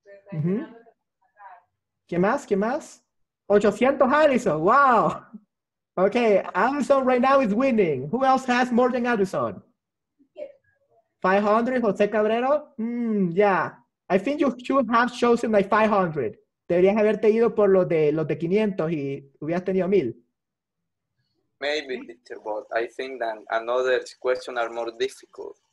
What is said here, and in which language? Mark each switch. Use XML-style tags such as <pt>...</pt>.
<es>Mm-hmm. ¿Qué más? ¿Qué más? 800, Allison. Wow.</es> <en>Okay, Allison right now is winning. Who else has more than Allison? 500, Jose Cabrero. Yeah. I think you should have chosen like 500.</en> <es>Deberías haberte ido por los de 500 y hubieras tenido 1,000.</es> <en>Maybe, teacher, but I think that another question are more difficult.</en>